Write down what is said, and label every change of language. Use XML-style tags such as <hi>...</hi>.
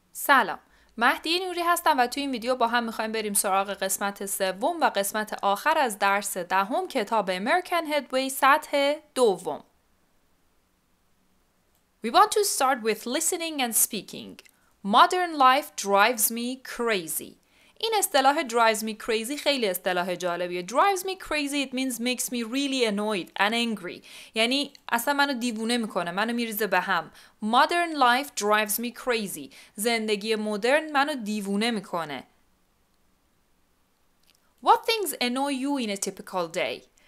<fa>سلام، مهدی نوری هستم و توی این ویدیو با هم میخوایم بریم سراغ قسمت سوم و قسمت آخر از درس دهم کتاب American Headway سطح دوم.</fa> <en>We want to start with listening and speaking. Modern life drives me crazy.</en> <fa>این اصطلاح</fa> <en>drives me crazy</en> <fa>خیلی اصطلاح جالبیه.</fa> <en>Drives me crazy it means makes me really annoyed and angry.</en> <fa>یعنی اصلا منو دیوونه میکنه، منو میریزه به هم.</fa> <en>Modern life drives me crazy.</en> <fa>زندگی مدرن منو دیوونه میکنه.</fa> <en>What things annoy you in a typical day?</en>